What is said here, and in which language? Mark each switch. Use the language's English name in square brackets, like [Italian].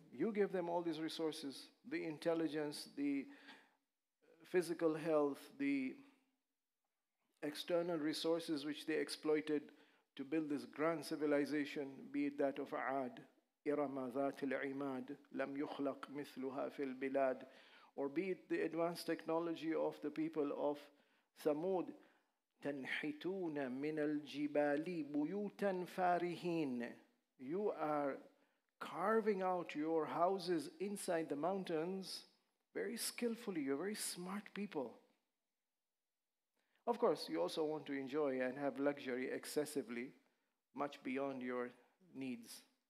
[English] You gave them all these resources, the intelligence, the physical health, the external resources which they exploited to build this grand civilization, be it that of Aad. [Arabic] إرم ذات العماد لم يخلق مثلها في البلاد, [English] or be it the advanced technology of the people of Thamud. [Arabic] تنحتون من الجبال بيوتا فارهين. [English] You are carving out your houses inside the mountains very skillfully. You're very smart people. Of course, you also want to enjoy and have luxury excessively, much beyond your needs.